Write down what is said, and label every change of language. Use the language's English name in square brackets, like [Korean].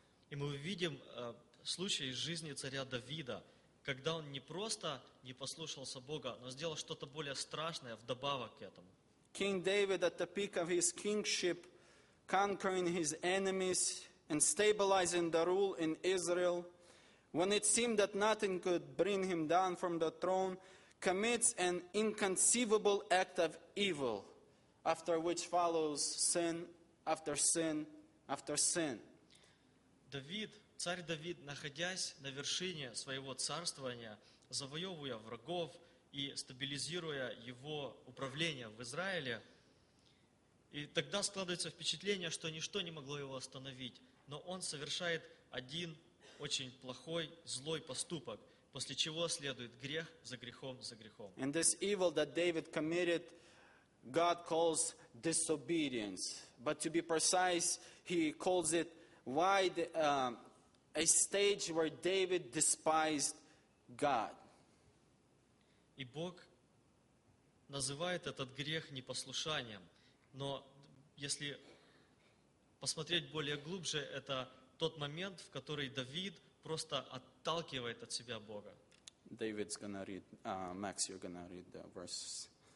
[Russian] И мы видим случай из жизни царя Давида, когда он не просто не послушался Бога, но сделал что-то более страшное вдобавок к этому. [English] King David at the peak of his kingship, conquering his enemies and stabilizing the rule in Israel, when it seemed that nothing could bring him down from the throne, commits an inconceivable act of evil, after which follows sin after sin after sin. [Russian] Давид, царь Давид, находясь на вершине своего царствования, завоевывая врагов и стабилизируя его управление в Израиле, и тогда складывается впечатление, что ничто не могло его остановить, но он совершает один очень плохой, злой поступок, после чего следует грех за грехом за грехом. [English] And this evil that David committed, God calls disobedience. But to be precise, he calls it a stage where David despised God. [Russian] И Бог называет этот грех непослушанием. Но если посмотреть более глубже, это тот момент, в который Давид просто отталкивает от себя Бога. [English] David's gonna read, Max, you're gonna read the verses.